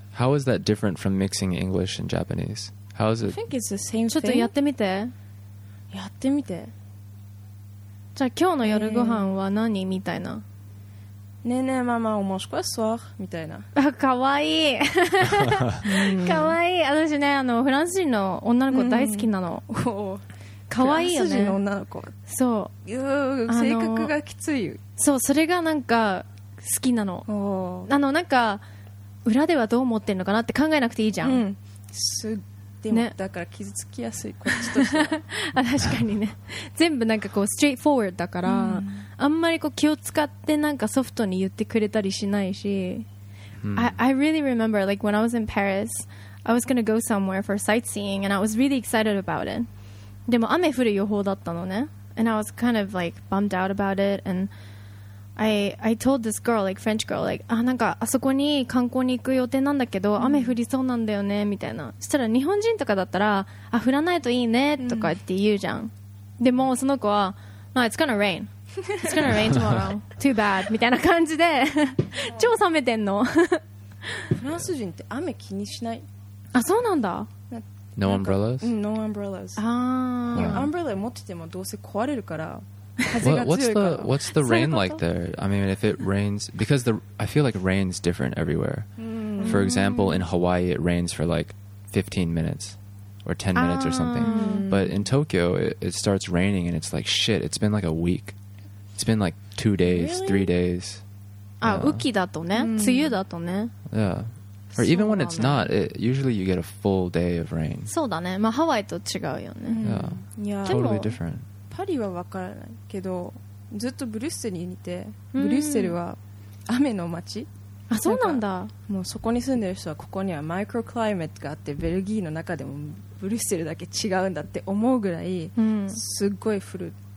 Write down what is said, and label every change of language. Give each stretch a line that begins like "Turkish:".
English: How is that different from mixing English and Japanese? How is it? I think it's the same thing.
Japanese: ちょっとやってみて。やってみて。じゃあ今日の夜ご飯は何、みたいな。ねえねえママ、お申し込みソワみたいな。あ、かわいい。かわいい。私ね、フランス人の女の子大好きなの。かわいいよね。フランス人の女の子。そう。性格がきつい。そう、それがなんか好きなの。なんか、裏ではどう思ってるのかなって考えなくていいじゃん。うん。でも、ね、だから傷つきやすい、こっちとしては。あ、確かにね。全部なんかこう、ストレートフォーワードだから。うん、あんまりこう気を使ってなんかソフトに言ってくれたりしないし、
English: I really remember like when I was in Paris, I was gonna go somewhere for sightseeing and I was really excited about it.
Japanese: でも雨降る予報だったのね。
English: And I was kind of like bummed out about it. And I told this girl, like
Japanese: French girl, like あなんかあそこに観光に行く予定なんだけど、雨降りそうなんだよねみたいな。したら日本人とかだったら、あ降らないといいねとかって言うじゃん。でもその子は、まあ
English: it's gonna rain. It's gonna rain tomorrow. Too bad.
Japanese: みたいな感じで超冷めてんの。フランス人って雨気にしない。あ、そうなんだ。
English: No umbrellas? No umbrellas. ああ。
Japanese: Umbrella 持っててもどうせ壊れるから。風が強いから。
English: What's the rain like there? I mean, if it rains, because I feel like rain's different everywhere. For example, in Hawaii, it rains for like 15 minutes. Or 10 minutes or something. But in Tokyo, it starts raining and it's like, shit, it's been like a week. It's been like 2 days, really? 3 days.
Japanese: Ah, 雨季だとね、梅雨だとね。
English: Yeah. Or even when it's not, usually you get a full day of rain.
Japanese: そうだね。まあ、ハワイと違うよね。
English: Yeah. Totally different.
Japanese: パリは分からないけど、ずっとブリュッセルにいて、ブリュッセルは雨の街。あ、そうなんだ。もうそこに住んでる人はここにはマイクロクライマットがあって、ベルギーの中でもブリュッセルだけ違うんだって思うぐらい、すっごい降る。